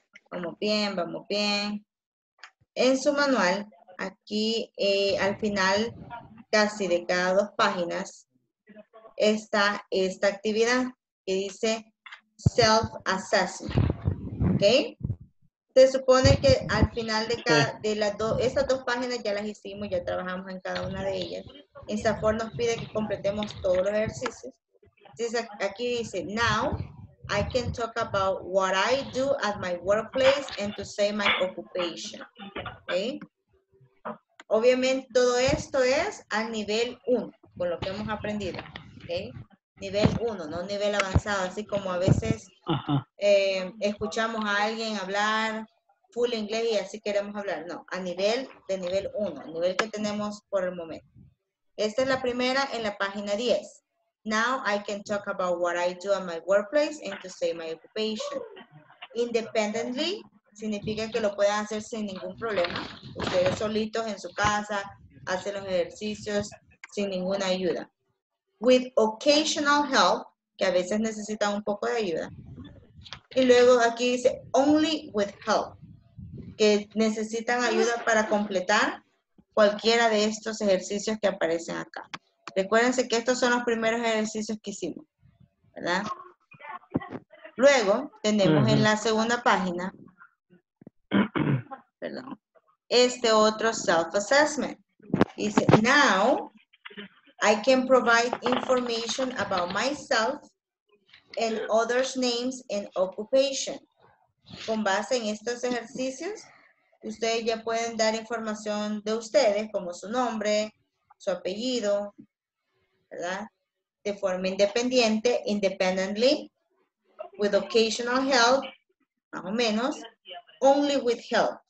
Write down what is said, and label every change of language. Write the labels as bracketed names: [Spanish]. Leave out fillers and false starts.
[Spanish] Vamos bien. En su manual, aquí al final, casi de cada dos páginas, está esta actividad que dice self-assessment. ¿Ok? Se supone que al final de cada de las dos, estas dos páginas ya las hicimos, ya trabajamos en cada una de ellas. En SAFOR nos pide que completemos todos los ejercicios. Entonces, aquí dice, [English] now I can talk about what I do at my workplace and to say my occupation. [Spanish] ¿Ok? Obviamente, todo esto es al nivel 1, con lo que hemos aprendido, ¿ok? Nivel 1, no nivel avanzado, así como a veces escuchamos a alguien hablar full inglés y así queremos hablar. No, a nivel de nivel 1, al nivel que tenemos por el momento. Esta es la primera en la página 10. [English] Now I can talk about what I do at my workplace and to say my occupation. Independently. [Spanish] Significa que lo pueden hacer sin ningún problema. Ustedes solitos en su casa, hacen los ejercicios sin ninguna ayuda. [English] With occasional help, [Spanish] que a veces necesitan un poco de ayuda. Y luego aquí dice, [English] only with help, [Spanish] que necesitan ayuda para completar cualquiera de estos ejercicios que aparecen acá. Recuérdense que estos son los primeros ejercicios que hicimos, ¿verdad? Luego tenemos en la segunda página, este otro self-assessment. Dice, now I can provide information about myself and others' names and occupation. con base en estos ejercicios, ustedes ya pueden dar información de ustedes, como su nombre, su apellido, ¿verdad? De forma independiente, [English] independently, with occasional help, [Spanish] más o menos, [English] only with help.